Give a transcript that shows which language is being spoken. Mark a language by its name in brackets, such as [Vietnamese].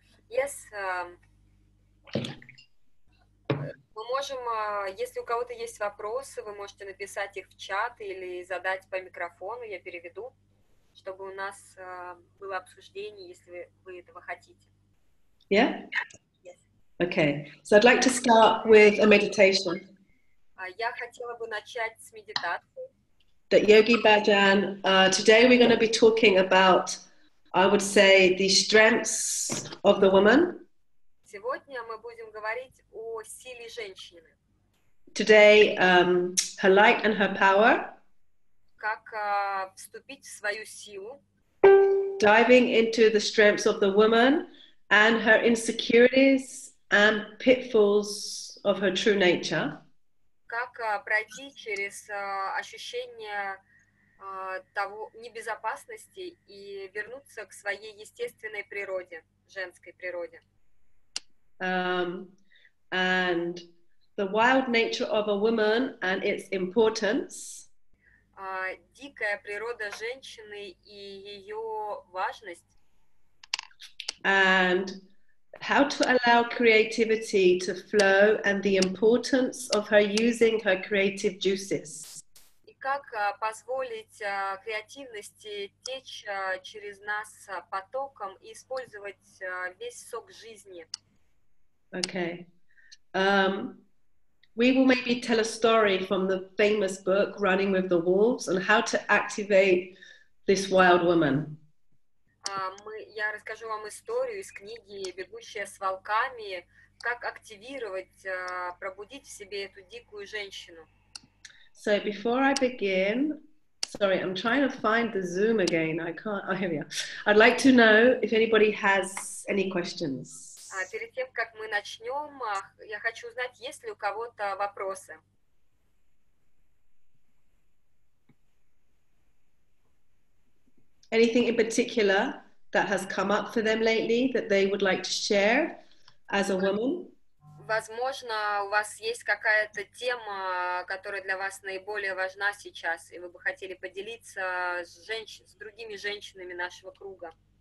[Russian] Yes, мы можем, если у кого-то есть вопросы, вы можете написать их в чат или задать по микрофону, я переведу, чтобы у нас было обсуждение, если вы этого хотите. [English] Yeah? Yes. Okay. So I'd like to start with a meditation. [Russian] Я хотела бы начать с медитации. [English] That Yogi Bhajan, today we're going to be talking about, I would say, the strengths of the woman. [Russian] Сегодня мы будем говорить о силе женщины. [English] Today, her light and her power. [Russian] Как вступить в свою силу. [English] Diving into the strengths of the woman and her insecurities and pitfalls of her true nature. [Russian] Как пройти через ощущение того небезопасности и вернуться к своей естественной природе, женской природе. [English] And the wild nature of a woman and its importance. [Russian] Дикая природа женщины и ее важность. [English] And How to allow creativity to flow and the importance of her using her creative juices. [Russian] И как позволить креативности течь через нас потоком и использовать весь сок жизни. [English] Okay. We will maybe tell a story from the famous book Running with the Wolves on how to activate this wild woman. [Russian] Я расскажу вам историю из книги «Бегущая с волками», как активировать, пробудить в себе эту дикую женщину. [English] So before I begin, sorry, I'm trying to find the Zoom again. I can't. Oh, here we are. I'd like to know if anybody has any questions. [Russian] Перед тем, как мы начнем, я хочу узнать, есть ли у кого-то вопросы. [English] Anything in particular that has come up for them lately that they would like to share as a woman? [Russian] Возможно, у вас есть какая-то тема, которая для вас наиболее важна сейчас, и вы бы хотели поделиться с другими женщинами нашего круга.